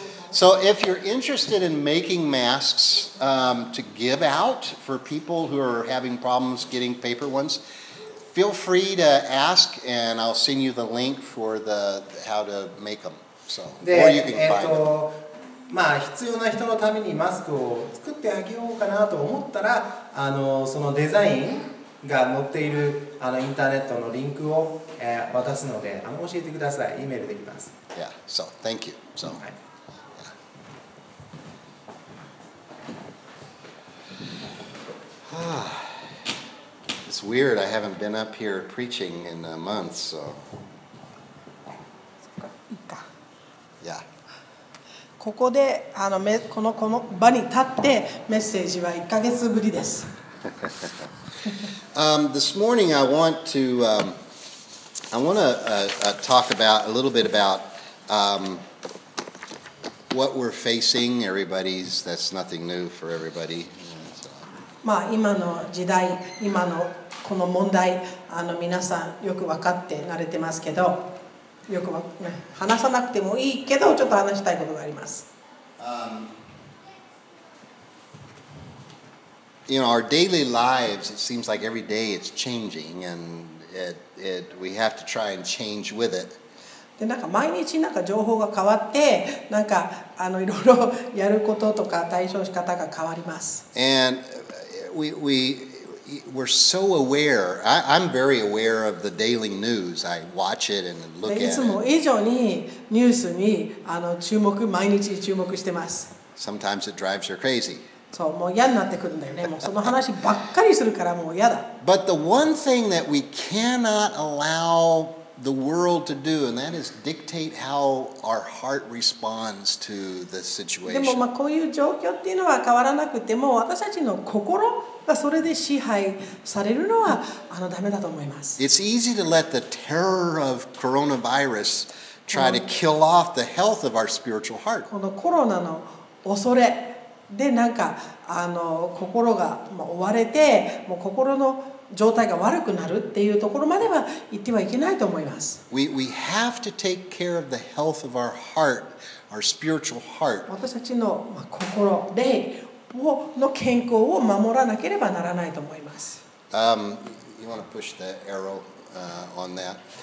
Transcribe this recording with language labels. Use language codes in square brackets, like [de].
[en] So if you're interested in making masks to give out for people who are having problems getting paper ones, feel free to ask, and I'll send you the link for the how to make them. So, or you can find them. [ja] まあ、必要な人のためにマスクを作ってあげようかなと思ったら、あのそのデザインが載っているあのインターネットのリンクを、渡すので、あの教えてください。 E メールできます。 [en] Yeah, so thank you. So. [ja] はい。 [en] It's weird. I haven't been up here preaching in a month, so. Yeah. [ja] ここで、あの、この、この場に立ってメッセージは1ヶ月ぶりです。 [en] this morning I want to, I want to talk about a little bit about what we're facing, everybody's, that's nothing new for everybody. [ja] まあ今の時代、今のこの問題、あの皆さんよく分かって慣れてますけど、よく話さなくてもいいけどちょっと話したいことがあります。 [en] You know, our daily lives, it seems like every day it's changing, and it we have to try and change with it. [ja] で、なんか毎日なんか情報が変わって、なんかあのいろいろやることとか対処し方が変わります。 [en] And we're so aware. I'm very aware of the daily news. I watch it and look at it. [ja] いつも以上にニュースにあの注目毎日注目してます。 [en] Sometimes it drives you crazy. [ja] そう、もう嫌になってくるんだよね。もうその話ばっかりするからもう嫌だ。 [en] But the one thing that we cannot allow the world to do, and that is dictate how our heart responds to the situation. [ja] でもまあこういう状況っていうのは変わらなくても私たちの心それで支配されるのはあのダメだと思います。 [en] It's easy to let the terror of coronavirus try to kill off the health of our spiritual heart. [ja] このコロナの恐れでなんかあの心が追われてもう心の状態が悪くなるっていうところまでは言ってはいけないと思います。 [en] We have to take care of the health of our heart, our spiritual heart. [ja] 私たちの心で。の健康を守らなければならないと思います。 [en] You want to push the arrow on that?